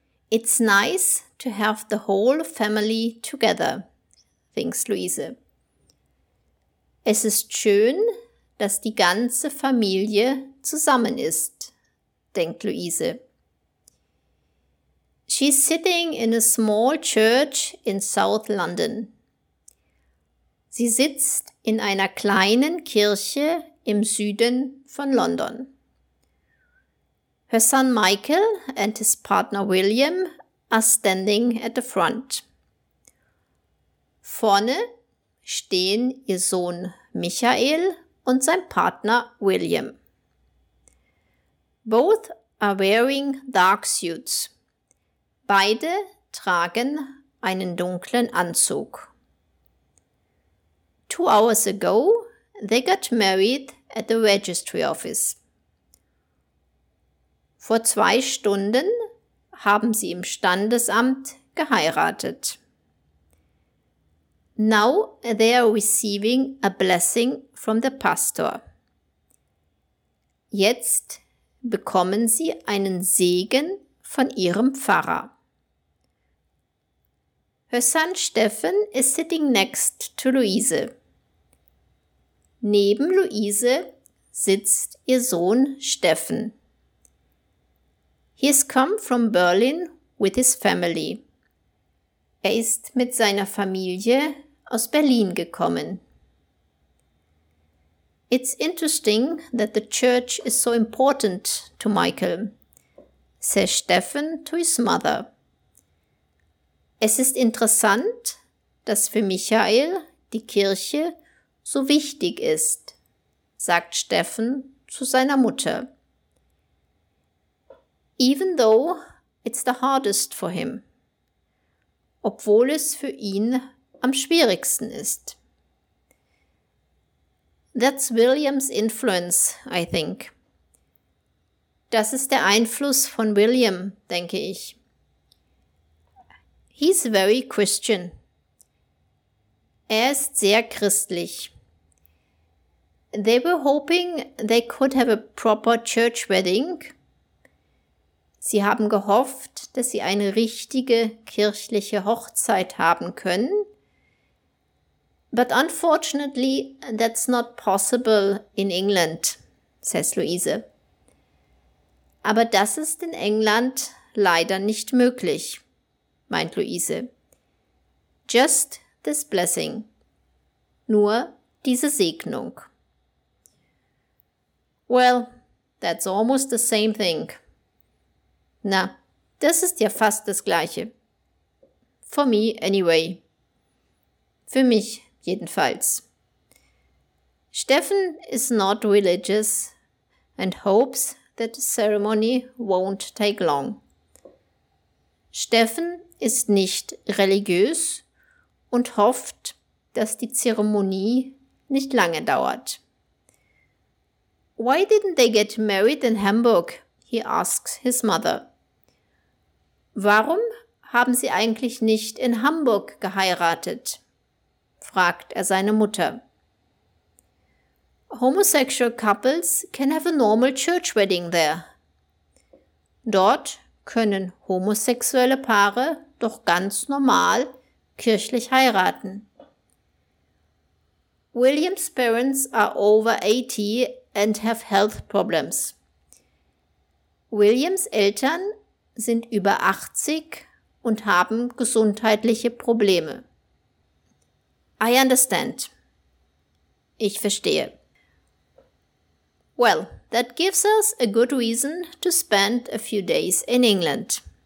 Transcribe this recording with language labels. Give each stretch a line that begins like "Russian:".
English: It's nice to have the whole family together, thinks Luise.
German: Es ist schön, dass die ganze Familie zusammen ist, denkt Luise.
English: She's sitting in a small church in South London.
German: Sie sitzt in einer kleinen Kirche im Süden von London.
English: Her son Michael and his partner William are standing at the front.
German: Vorne stehen ihr Sohn Michael und sein Partner William.
English: Both are wearing dark suits.
German: Beide tragen einen dunklen Anzug.
English: 2 hours ago, they got married at the registry office.
German: Vor 2 Stunden haben sie im Standesamt geheiratet.
English: Now they are receiving a blessing from the pastor.
German: Jetzt bekommen sie einen Segen von ihrem Pfarrer.
English: Her son Stefan is sitting next to Luise.
German: Neben Luise sitzt ihr Sohn Stefan.
English: He has come from Berlin with his family.
German: Er ist mit seiner Familie aus Berlin gekommen.
English: It's interesting that the church is so important to Michael, says Stefan to his mother.
German: Es ist interessant, dass für Michael die Kirche so wichtig ist, sagt Stefan zu seiner Mutter.
English: Even though it's the hardest for him.
German: Obwohl es für ihn am schwierigsten ist.
English: That's William's influence, I think.
German: Das ist der Einfluss von William, denke ich.
English: He's very Christian.
German: Er ist sehr christlich.
English: They were hoping they could have a proper church wedding.
German: Sie haben gehofft, dass sie eine richtige kirchliche Hochzeit haben können.
English: But unfortunately, that's not possible in England, says Luise.
German: Aber das ist in England leider nicht möglich, meint Luise.
English: Just this blessing.
German: Nur diese Segnung.
English: Well, that's almost the same thing.
German: Na, das ist ja fast das Gleiche.
English: For me anyway.
German: Für mich jedenfalls.
English: Stefan is not religious and hopes that the ceremony won't take long.
German: Stefan ist nicht religiös und hofft, dass die Zeremonie nicht lange dauert.
English: Why didn't they get married in Hamburg? He asks his mother.
German: Warum haben sie eigentlich nicht in Hamburg geheiratet? Fragt er seine Mutter.
English: Homosexual couples can have a normal church wedding there.
German: Dort können homosexuelle Paare doch ganz normal kirchlich heiraten.
English: William's parents are over 80 and have health problems.
German: Williams Eltern sind über 80 und haben gesundheitliche Probleme.
English: I understand.
German: Ich verstehe.
English: Well, that gives us a good reason to spend a few days in England.